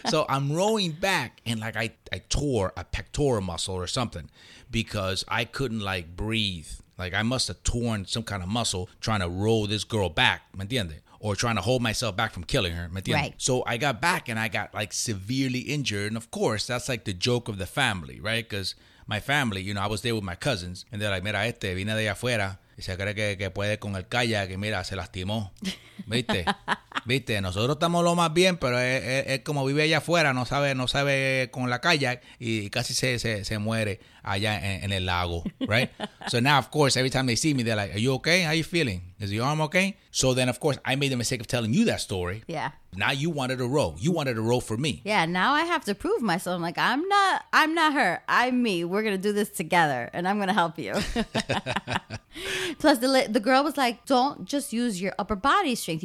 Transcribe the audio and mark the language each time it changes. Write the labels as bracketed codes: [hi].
[en] So I'm rowing back and like I tore a pectoral muscle or something because I couldn't like breathe. Like I must have torn some kind of muscle trying to row this girl back. [es] ¿Me entiendes? [en] or trying to hold myself back from killing her. Right. So I got back and I got like severely injured. And of course, that's like the joke of the family, right? Because my family, you know, I was there with my cousins. And they're like, [es] mira, este vino de afuera. Y se cree que puede con el kayak. Y mira, se lastimó. ¿Viste? ¿Viste? Nosotros estamos lo más bien, pero es como vive allá afuera. No sabe con la kayak. Y casi se muere allá en el lago, right? [en] So now, of course, every time they see me, they're like, are you okay? How are you feeling? Is your arm okay? So then, of course, I made the mistake of telling you that story. Yeah. Now you wanted to row. You wanted to row for me. Yeah, now I have to prove myself. I'm like, I'm not her. I'm me. We're going to do this together, and I'm going to help you. Plus, the girl was like, don't just use your upper body strength.